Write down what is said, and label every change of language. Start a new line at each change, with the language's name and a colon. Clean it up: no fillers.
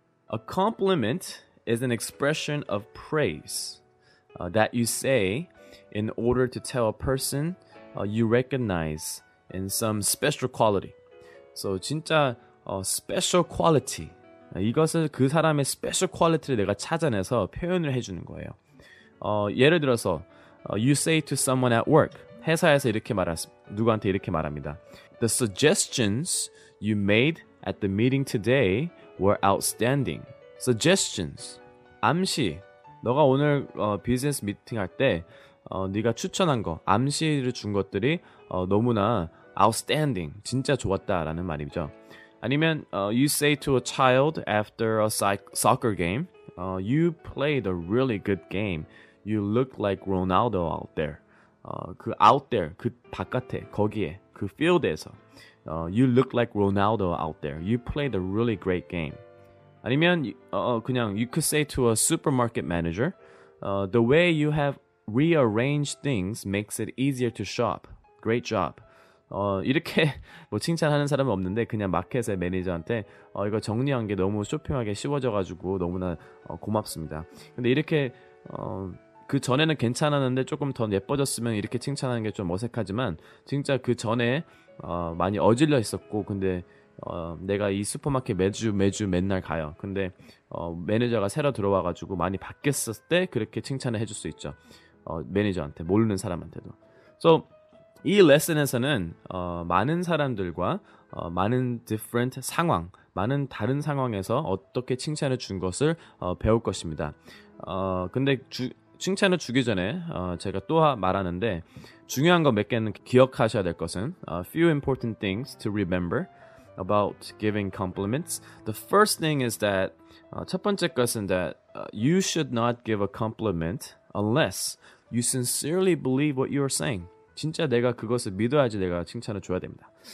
English: A compliment is an expression of praise that you say in order to tell a person you recognize in some special quality.
Korean: So 진짜 special quality. 이것을 그 사람의 special quality를 내가 찾아내서 표현을 해주는 거예요. 예를 들어서
English: you say to someone at work.
Korean: 회사에서 이렇게 누구한테 이렇게 말합니다.
English: The suggestions you made at the meeting today were outstanding.
Korean: Suggestions. 암시. 너가 오늘 비즈니스 미팅 할 때 네가 추천한 거, 암시를 준 것들이 너무나 outstanding, 진짜 좋았다라는 말이죠. 아니면
English: you say to a child after a soccer game, you played a really good game. You look like Ronaldo out there. 그 out there,
Korean: 그 바깥에, 거기에, 그 field에서.
English: You look like Ronaldo out there. You played a really great game.
Korean: 아니면 그냥
English: you could say to a supermarket manager, the way you have rearranged things makes it easier to shop. Great job.
Korean: 이렇게 뭐 칭찬하는 사람은 없는데 그냥 마켓의 매니저한테 이거 정리한 게 너무 쇼핑하게 쉬워져가지고 너무나 고맙습니다. 근데 이렇게 그 전에는 괜찮았는데 조금 더 예뻐졌으면 이렇게 칭찬하는 게 좀 어색하지만 진짜 그 전에 많이 어질러 있었고 근데 내가 이 슈퍼마켓 매주 맨날 가요. 근데 매니저가 새로 들어와가지고 많이 바뀌었을 때 그렇게 칭찬을 해줄 수 있죠. 매니저한테, 모르는 사람한테도. So 이 레슨에서는 많은 사람들과 많은 different 상황, 많은 다른 상황에서 어떻게 칭찬을 준 것을 배울 것입니다. 근데 칭찬을 주기 전에 제가 또 말하는데 중요한 거 몇 개는 기억하셔야 될 것은
English: few important things to remember about giving compliments. The first thing is that
Korean: 첫 번째 것은
English: that you should not give a compliment unless you sincerely believe what you are saying.
Korean: 진짜 내가 그것을 믿어야지 내가 칭찬을 줘야 됩니다.